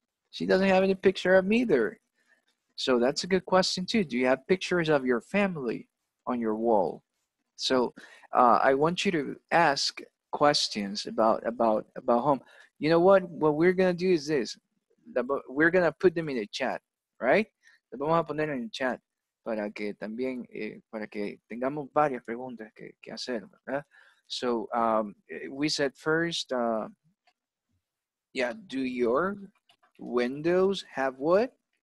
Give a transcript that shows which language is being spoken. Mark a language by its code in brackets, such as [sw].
[en] She doesn't have any picture of me either. So that's a good question too. Do you have pictures of your family on your wall? So I want you to ask questions about home. You know what? What we're gonna do is this. We're gonna put them in the chat, right? [es] Le vamos a poner en el chat para que también para que tengamos varias preguntas que hacer, ¿verdad? [en] So we said first, do your windows have what?